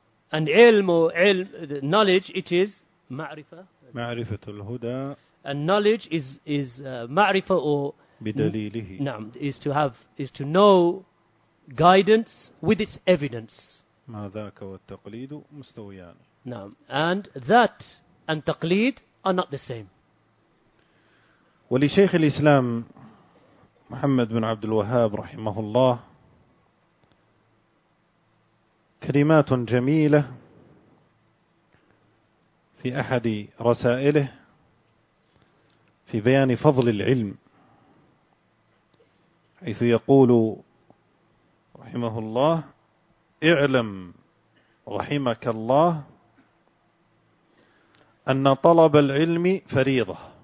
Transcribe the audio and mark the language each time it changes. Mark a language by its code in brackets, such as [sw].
[en] And ilm, or ilm, knowledge, it is ma'rifah. [ar] Ma'rifatul al-huda. [en] And knowledge is ma'rifah, or [ar] بدليله. نعم, [en] is to know guidance with its evidence. [ar] ما ذاك والتقليد مستويان. نعم, [en] and that and taqlid are not the same. [ar] ولشيخ الإسلام محمد بن عبد الوهاب رحمه الله كلمات جميلة في أحد رسائله في بيان فضل العلم, حيث يقول رحمه الله: اعلم رحمك الله أن طلب العلم فريضة.